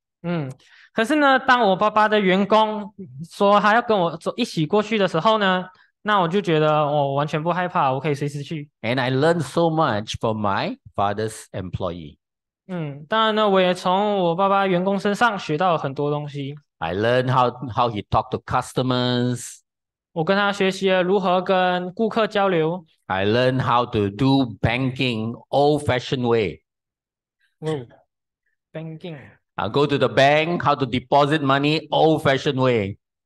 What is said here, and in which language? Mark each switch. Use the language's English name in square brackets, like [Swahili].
[Chinese] 嗯，可是呢，当我爸爸的员工说他要跟我走一起过去的时候呢，那我就觉得我完全不害怕, 我可以随时去。 [English] And I learned so much from my father's employee. [Chinese] 当然呢,我也从我爸爸员工身上学到了很多东西。 [English] I learned how he talked to customers. [Chinese] 我跟他学习了如何跟顾客交流。 [English] I learned how to do banking old-fashioned way. Banking. I go to the bank, how to deposit money old-fashioned way.